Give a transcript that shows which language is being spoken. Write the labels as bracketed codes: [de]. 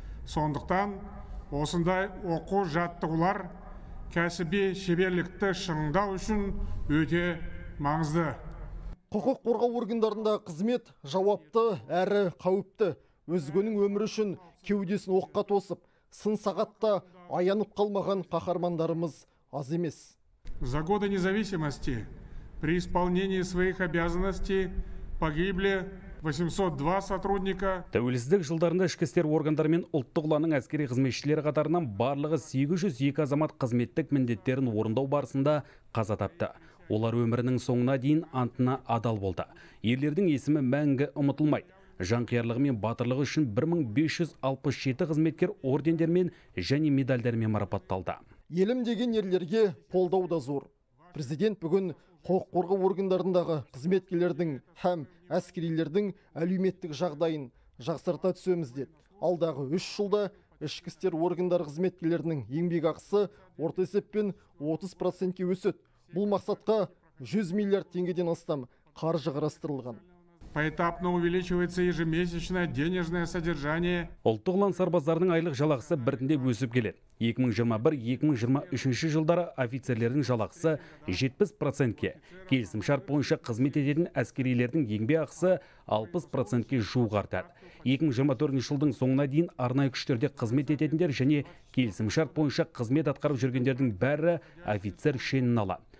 [kk] Сондықтан осындай оқу жаттығулар кәсіби шеберлікті шыңдау үшін өте маңызды. Құқық қорғау органдарында қызмет жауапты әрі қауіпті. Өзгенің өмірі үшін кеудесін оққа тосып, сын сағатта аянып қалмаған қаһармандарымыз аз емес. [ru] За годы независимости при исполнении своих обязанностей погибли 802 сотрудника. [kk] Тәуелсіздік жылдарында ішкі істер органдары мен ұлттық ұланның әскери қызметшілері қатарынан барлығы 802 азамат қызметтік міндеттерін орындау барысында қаза тапты. Олар өмірінің соңына дейін антына адал болды. Ерлердің есімі мәңгі ұмытылмайды. жанқиярлығы мен батырлығы үшін 1567 қызметкер ордендермен және медальдермен марапатталды. Елім деген ерлерге қолдау да зор. Президент бүгін құқық қорғау органдарындағы қызметкерлердің һәм әскерилердің әлеуметтік жағдайын жақсарта түсеміз деді. Алдағы 3 жылда ішкі істер органдары қызметкерлерінің еңбекақысы орта есеппен 30%-ке өседі. Бұл мақсатқа 100 миллиард теңгеден астам қаржы қарастырылған. [ru] Поэтапно увеличивается ежемесячное денежное содержание. [kk] Ұлттық ұлан сарбаздарының айлық жалақысы біртіндеп өсіп келеді. 2021-2023 жылдары офицерлердің жалақысы 70%-ке. Келісім шарт бойынша қызмет ететін әскерилердің еңбекақысы 60%-ке жуық артады. 2024 жылдың соңына дейін арнайы күштерде қызмет ететіндер және келісім шарт бойынша қызмет атқарып жүргендердің бәрі офицер шенін алады.